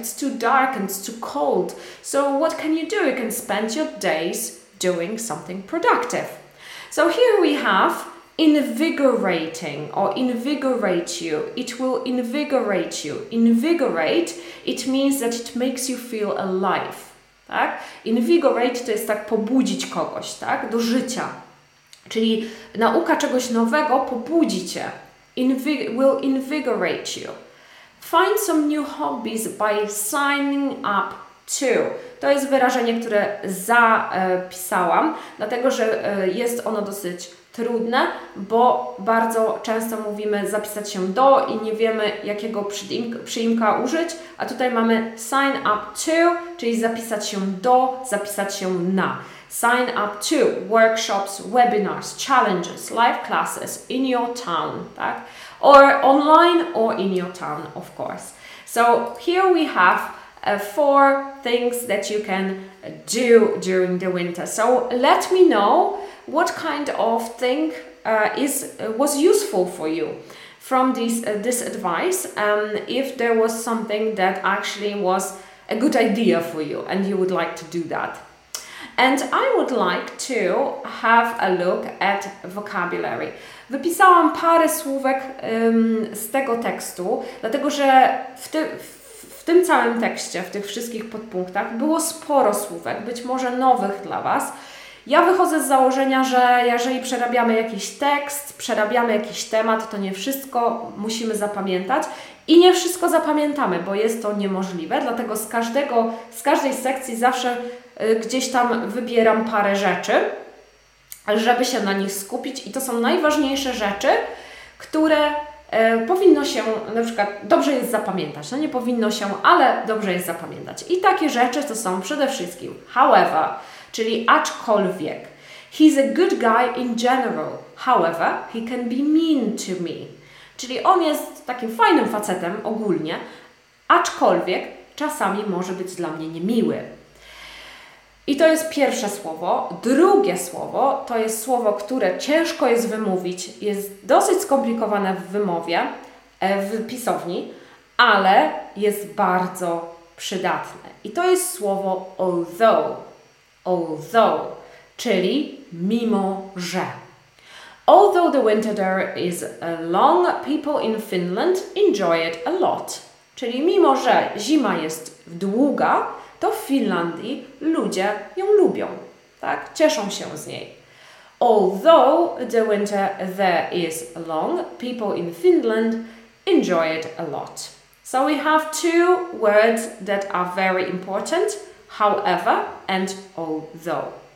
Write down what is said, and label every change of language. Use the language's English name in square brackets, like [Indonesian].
[English] It's too dark and it's too cold. So what can you do? You can spend your days doing something productive. So here we have invigorating, or invigorate you. It will invigorate you. Invigorate, it means that it makes you feel alive. [Polish] Tak? Invigorate to jest tak pobudzić kogoś, tak? Do życia. Czyli nauka czegoś nowego pobudzi cię. [English] Will invigorate you. Find some new hobbies by signing up to. [Polish] To jest wyrażenie, które zapisałam, dlatego że jest ono dosyć trudne, bo bardzo często mówimy zapisać się do i nie wiemy, jakiego przyimka użyć, a tutaj mamy [English] sign up to, [Polish] czyli zapisać się do, zapisać się na. [English] Sign up to workshops, webinars, challenges, live classes in your town, [Polish] tak? [English] Or online or in your town, of course. So here we have four things that you can do during the winter. So let me know what kind of thing was useful for you from this advice, if there was something that actually was a good idea for you and you would like to do that. And I would like to have a look at vocabulary. [Polish] Wypisałam parę słówek z tego tekstu, dlatego że w tym całym tekście, w tych wszystkich podpunktach było sporo słówek, być może nowych dla Was. Ja wychodzę z założenia, że jeżeli przerabiamy jakiś tekst, przerabiamy jakiś temat, to nie wszystko musimy zapamiętać i nie wszystko zapamiętamy, bo jest to niemożliwe, dlatego z każdej sekcji zawsze gdzieś tam wybieram parę rzeczy, żeby się na nich skupić i to są najważniejsze rzeczy, które powinno się, na przykład dobrze jest zapamiętać, no nie powinno się, ale dobrze jest zapamiętać. I takie rzeczy to są przede wszystkim however, czyli aczkolwiek. [English] He's a good guy in general, however, he can be mean to me. [Polish] Czyli on jest takim fajnym facetem ogólnie, aczkolwiek czasami może być dla mnie niemiły. I to jest pierwsze słowo. Drugie słowo to jest słowo, które ciężko jest wymówić. Jest dosyć skomplikowane w wymowie, w pisowni, ale jest bardzo przydatne. I to jest słowo although. Although, czyli mimo że. [English] Although the winter there is long, people in Finland enjoy it a lot. [Polish] Czyli mimo że zima jest długa, to w Finlandii ludzie ją lubią, tak? Cieszą się z niej. [English] Although the winter there is long, people in Finland enjoy it a lot. So we have two words that are very important, however and although.